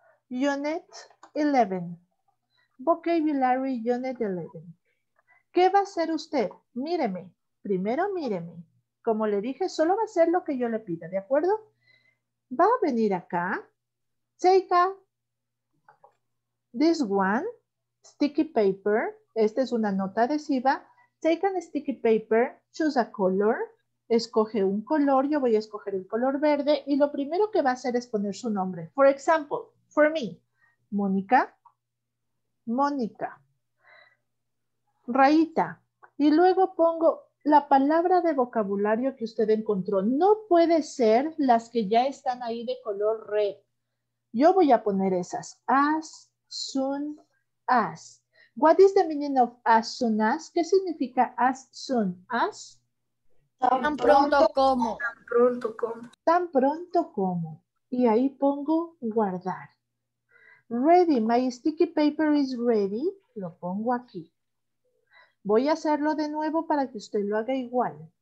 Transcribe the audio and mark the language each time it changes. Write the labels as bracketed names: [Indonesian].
[Spanish] Unit 11. Vocabulary Unit 11. ¿Qué va a hacer usted? Míreme. Primero míreme. Como le dije, solo va a hacer lo que yo le pida, ¿de acuerdo? Va a venir acá. [English] Take a, this one, sticky paper. [Spanish] Esta es una nota adhesiva. [English] Take a sticky paper, choose a color. [Spanish] Escoge un color. Yo voy a escoger el color verde. Y lo primero que va a hacer es poner su nombre. [English] For example, for me, [Spanish] Mónica, Mónica, rayita, y luego pongo la palabra de vocabulario que usted encontró. No puede ser las que ya están ahí de color red. Yo voy a poner esas, as soon as. [English] What is the meaning of as soon as? [Spanish] ¿Qué significa as soon as? Tan pronto como. Tan pronto como. Tan pronto como. Y ahí pongo guardar. [English] Ready, my sticky paper is ready. [Spanish] Lo pongo aquí. Voy a hacerlo de nuevo para que usted lo haga igual.